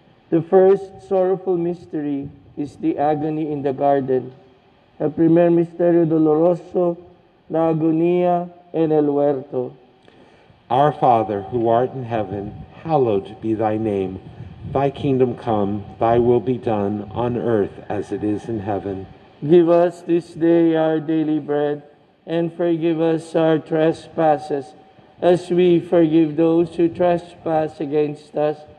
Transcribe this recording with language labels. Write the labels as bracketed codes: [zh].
[en] The first sorrowful mystery is the agony in the garden. [es] El primer misterio doloroso, la agonía en el huerto. [en] Our Father, who art in heaven, hallowed be thy name. Thy kingdom come, thy will be done, on earth as it is in heaven. Give us this day our daily bread, and forgive us our trespasses, as we forgive those who trespass against us.